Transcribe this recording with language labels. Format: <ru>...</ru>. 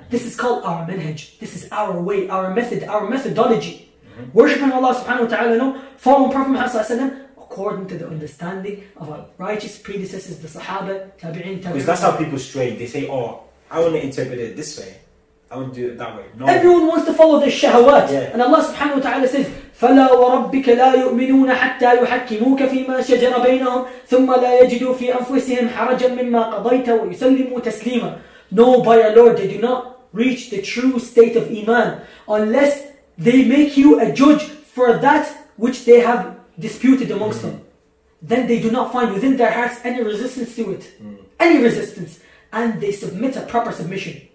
<en>This is called our manhaj. This is our way, our method, our methodology. Mm-hmm. Worshipping Allah subhanahu wa ta'ala, following Prophet Muhammad sallallahu alayhi wa sallam according to the understanding of our righteous predecessors, the Sahaba, Tabi'in, Tabi'in. Because that's how people stray. They say, oh, I want to interpret it this way, I want to do it that way. No. Everyone wants to follow their shahawat. Yeah. And Allah subhanahu wa ta'ala says,</en> <ar>فَلَا وَرَبِّكَ لَا يُؤْمِنُونَ حَتَّى يُحَكِّمُوكَ فِي مَا شَجَرَ بَيْنَهُمْ ثُمَّ لَا يَجِدُوا فِي أَنفُسِهِمْ حَرَجًا مِمَّا قَضَيْتَ وَيُسَلِّمُوا تَسْلِيمًا.</ar> <en>No, by our Lord, they do not reach the true state of Iman unless they make you a judge for that which they have disputed amongst them. Then they do not find within their hearts any resistance to it. Any resistance. And they submit a proper submission.</en>